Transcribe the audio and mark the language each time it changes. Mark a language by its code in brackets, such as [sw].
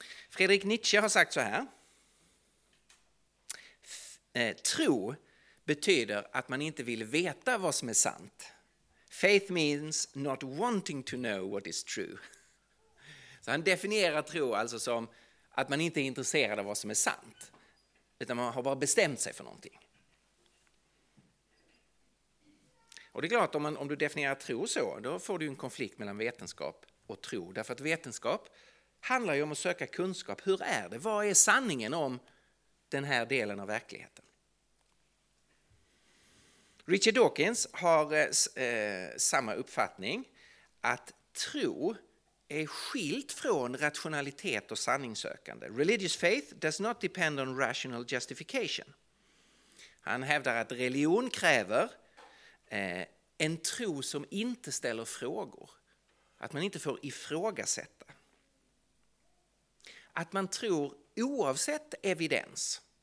[sv] Friedrich Nietzsche har sagt så här. Tro betyder att man inte vill veta vad som är sant. [en] Faith means not wanting to know what is true. [sv] Så han definierar tro alltså som att man inte är intresserad av vad som är sant. Utan man har bara bestämt sig för någonting. Och det är klart att om du definierar tro så, då får du en konflikt mellan vetenskap och tro. Därför att vetenskap handlar ju om att söka kunskap. Hur är det? Vad är sanningen om den här delen av verkligheten? Richard Dawkins har samma uppfattning, att tro är skilt från rationalitet och sanningssökande. [en] Religious faith does not depend on rational justification. [sv] Han hävdar att religion kräver en tro som inte ställer frågor. Att man inte får ifrågasätta. Att man tror oavsett evidens.